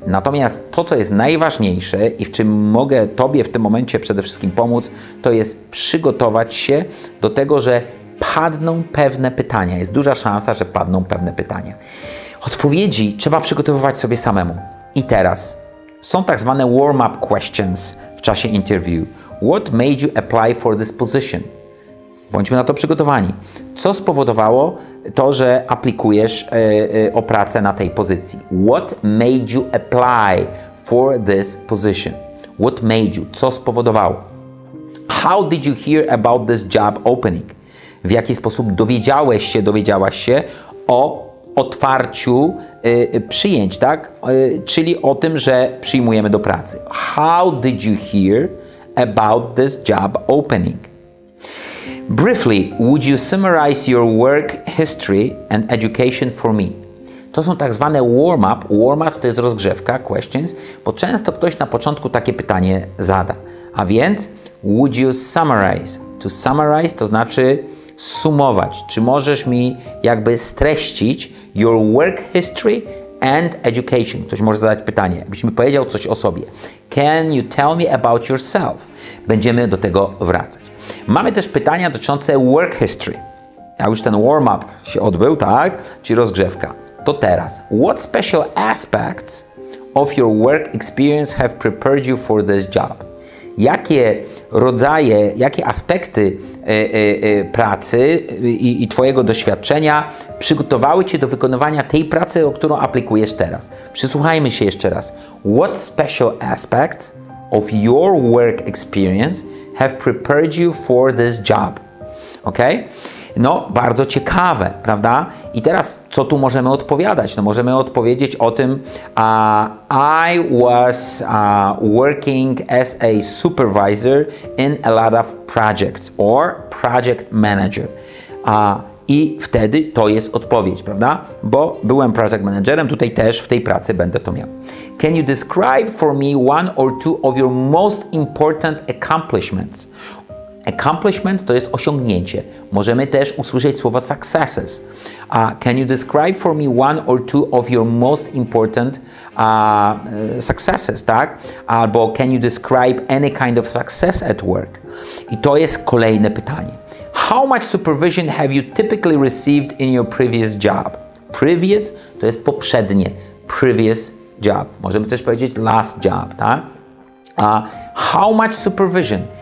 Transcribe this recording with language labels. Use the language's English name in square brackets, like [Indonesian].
[Polish] Natomiast to, co jest najważniejsze i w czym mogę Tobie w tym momencie przede wszystkim pomóc, to jest przygotować się do tego, że padną pewne pytania. Jest duża szansa, że padną pewne pytania. Odpowiedzi trzeba przygotowywać sobie samemu. I teraz są tak zwane warm-up questions w czasie interview. [English] What made you apply for this position? [Polish] Bądźmy na to przygotowani. Co spowodowało to, że aplikujesz o pracę na tej pozycji? [English] What made you apply for this position? What made you? [Polish] Co spowodowało? [English] How did you hear about this job opening? [Polish] W jaki sposób dowiedziałaś się o otwarciu przyjęć, tak? Czyli o tym, że przyjmujemy do pracy. [English] How did you hear about this job opening? Briefly, would you summarize your work history and education for me? [Polish] To są tak zwane warm-up. Warm-up to jest rozgrzewka, questions, bo często ktoś na początku takie pytanie zada. A więc, [English] would you summarize? [Polish] To summarize to znaczy sumować. Czy możesz mi jakby streścić [English] your work history and education? [Polish] Ktoś może zadać pytanie, abyś mi powiedział coś o sobie. [English] Can you tell me about yourself? [Polish] Będziemy do tego wracać. Mamy też pytania dotyczące work history. Jak już ten warm-up się odbył, tak? Czyli rozgrzewka. To teraz. [English] What special aspects of your work experience have prepared you for this job? [Polish] Jakie rodzaje, jakie aspekty pracy i Twojego doświadczenia przygotowały Cię do wykonywania tej pracy, o którą aplikujesz teraz? Przysłuchajmy się jeszcze raz. [English] What special aspects of your work experience have prepared you for this job? [Polish] Ok? No, bardzo ciekawe, prawda? I teraz, co tu możemy odpowiadać? No, możemy odpowiedzieć o tym, [English] I was working as a supervisor in a lot of projects or project manager. [Polish] I wtedy to jest odpowiedź, prawda? Bo byłem project managerem, tutaj też w tej pracy będę to miał. [English] Can you describe for me one or two of your most important accomplishments? [Polish] Accomplishment to jest osiągnięcie. Możemy też usłyszeć słowa successes. [English] Can you describe for me one or two of your most important successes, tak? Albo can you describe any kind of success at work? [Polish] I to jest kolejne pytanie. [English] How much supervision have you typically received in your previous job? [Polish] Previous to jest poprzednie. Previous job. Możemy też powiedzieć [English] last job, [Polish] tak? [English] How much supervision?